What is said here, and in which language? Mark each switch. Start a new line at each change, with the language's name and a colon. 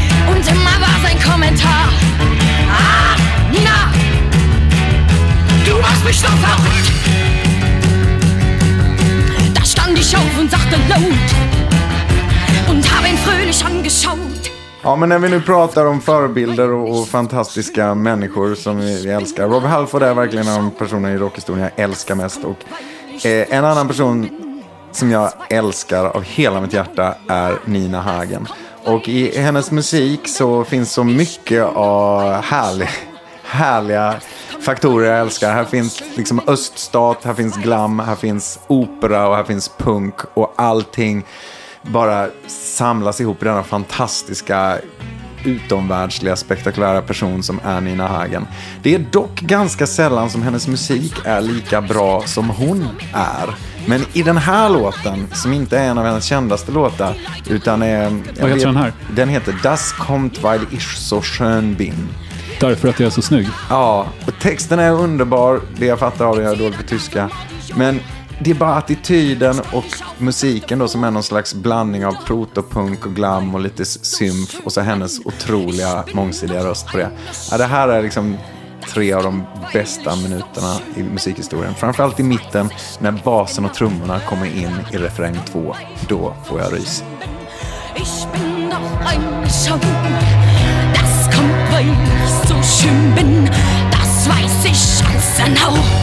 German: Und immer war sein Kommentar: Ah, Nina, du machst mich doch verrückt. Da stand ich auf und sagte laut und habe ihn fröhlich angeschaut.
Swedish: Ja, men när vi nu pratar om förebilder och fantastiska människor som vi älskar. Rob Halford är verkligen en person i rockhistorien jag älskar mest. Och en annan person som jag älskar av hela mitt hjärta är Nina Hagen. Och i hennes musik så finns så mycket av härliga faktorer jag älskar. Här finns liksom öststat, här finns glam, här finns opera och här finns punk. Och allting bara samlas ihop i denna fantastiska, utomvärldsliga, spektakulära person som är Nina Hagen. Det är dock ganska sällan som hennes musik är lika bra som hon är. Men i den här låten, som inte är en av hennes kändaste låtar, utan är... Vad heter den här? Den heter
German: Das kommt, weil ich so schön bin.
Swedish: Därför att jag är så snygg. Ja, och texten är underbar. Det jag fattar av det, jag är dåligt på tyska. Men det är bara attityden och musiken då, som är någon slags blandning av protopunk och glam och lite symf, och så hennes otroliga mångsidiga röst på det. Ja, det här är liksom tre av de bästa minuterna i musikhistorien. Framförallt i mitten när basen och trummorna kommer in i refräng två. Då får jag rys.
German: Ich bin doch ein Schau. Das kommt, weil ich so schön bin. Das weiß ich ganz genau.